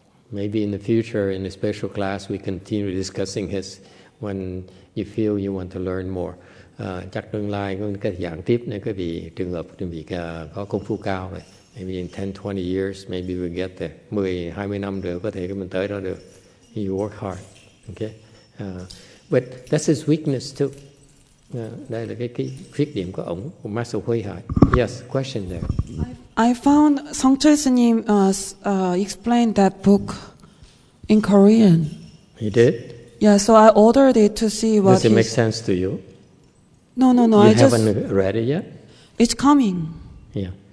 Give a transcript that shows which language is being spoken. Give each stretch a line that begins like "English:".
English: Maybe in the future, in a special class, we continue discussing this when you feel you want to learn more.
Vietnamese: Chắc tương lai có cái giảng tiếp nữa, quý vị, trường hợp quý vị có công phu cao này.
English: Maybe in
Vietnamese: 10, 20 years, maybe we'll get there. 10, 20 năm nữa có thể mình tới đó được.
English: You work hard. Okay. But that's his weakness too.
Vietnamese: Đây là cái khuyết điểm của ổng, của Master Huy Hải.
English: Yes, question there. I found Song Chul-sanim explained that book in Korean. He did? Yeah, so I ordered it to see what. Does it make sense to you? No. You I haven't just read it yet? It's coming. Yeah.